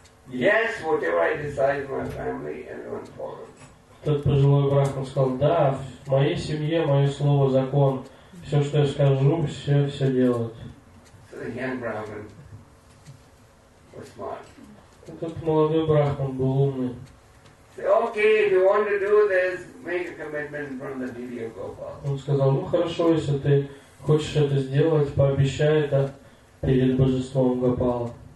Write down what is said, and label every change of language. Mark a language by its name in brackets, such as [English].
[English] Yes, whatever I decide, my family, everyone follows. [Russian] Тот пожилой брахман сказал, да, в моей семье мое слово закон. Все, что я скажу, все делают. [English] So the young brahman was smart. [Russian] Этот молодой брахман был умный. [English] Say, okay, if you want to do this, make a commitment in front of the deity of Gopal. [Russian] Он сказал, ну хорошо, если ты хочешь это сделать, пообещай это перед божеством Гопала.